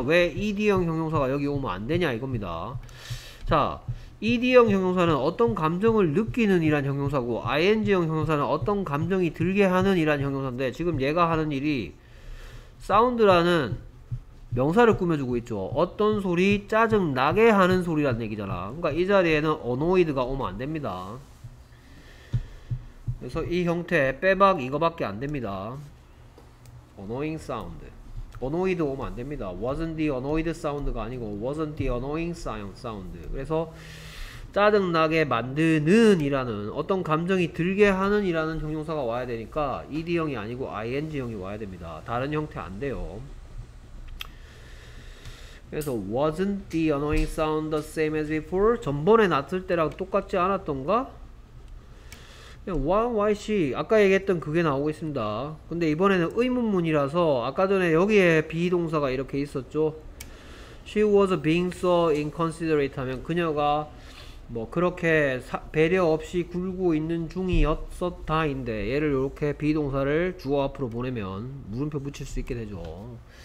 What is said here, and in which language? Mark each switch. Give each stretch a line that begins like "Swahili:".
Korean: 왜 ed형 형용사가 여기 오면 안 되냐? 이겁니다. 자, ed형 형용사는 어떤 감정을 느끼는 이란 형용사고, ing형 형용사는 어떤 감정이 들게 하는 이란 형용사인데, 지금 얘가 하는 일이 사운드라는 명사를 꾸며주고 있죠. 어떤 소리 짜증나게 하는 소리란 얘기잖아. 그러니까 이 자리에는 annoyed가 오면 안 됩니다. 그래서 이 형태 빼박 이거밖에 안 됩니다. annoying sound. annoyed 오면 안 됩니다.
English: wasn't the annoyed sound
Korean: 가 아니고
English: wasn't the annoying sound.
Korean: 그래서 짜증나게 만드는 이라는 어떤 감정이 들게 하는 이라는 형용사가 와야 되니까 ed형이 아니고 ing형이 와야 됩니다. 다른 형태 안 돼요. 그래서
English: wasn't the annoying sound the same as before?
Korean: 전번에 났을 때랑 똑같지 않았던가?
English: Why she?
Korean: 아까 얘기했던 그게 나오고 있습니다. 근데 이번에는 의문문이라서 아까 전에 여기에 비동사가 이렇게 있었죠.
English: She was being so inconsiderate
Korean: 하면 그녀가 뭐 그렇게 배려 없이 굴고 있는 중이었었다인데 얘를 이렇게 비동사를 주어 앞으로 보내면 물음표 붙일 수 있게 되죠.